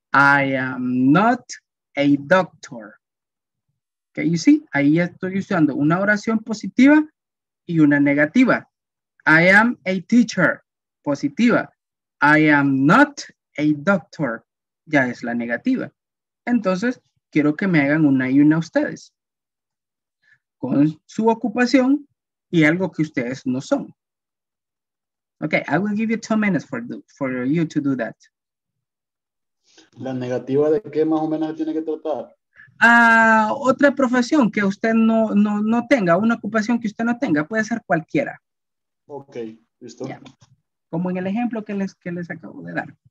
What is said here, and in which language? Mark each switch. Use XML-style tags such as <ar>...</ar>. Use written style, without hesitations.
<en>I am not a doctor. Okay, you see,</en> <es>ahí estoy usando una oración positiva y una negativa.</es> <en>I am a teacher, positiva. I am not a doctor,</en> <es>ya es la negativa. Entonces, quiero que me hagan una y una ustedes. Con su ocupación, y algo que ustedes no son.</es> <en>Okay, I will give you 2 minutes for you to do that.</en> <es>¿La negativa de qué más o menos tiene que tratar? Otra profesión que usted no tenga, una ocupación que usted no tenga, puede ser cualquiera. Ok, listo. Yeah. Como en el ejemplo que les acabo de dar.</es>